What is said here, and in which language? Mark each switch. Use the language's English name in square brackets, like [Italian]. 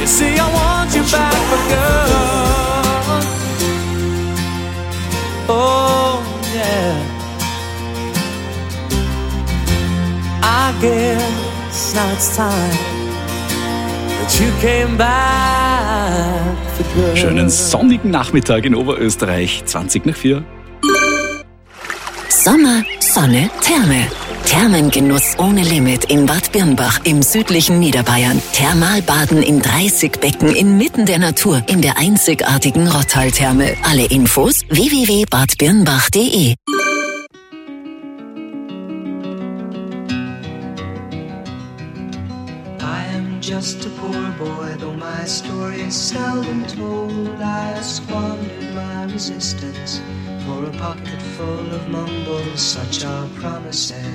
[English] You see, I want you back for good. Oh yeah. I guess now it's time that you came back for good. [German] Schönen sonnigen Nachmittag in Oberösterreich, 20 nach 4. Sommer, Sonne, Therme. Thermengenuss ohne Limit in Bad Birnbach im südlichen Niederbayern. Thermalbaden in 30 Becken inmitten der Natur in der einzigartigen Rottal-Therme. Alle Infos www.badbirnbach.de. [English] I am just a poor boy, though my story is seldom told. I squandered my resistance for a pocket full of mumbles, such are promises.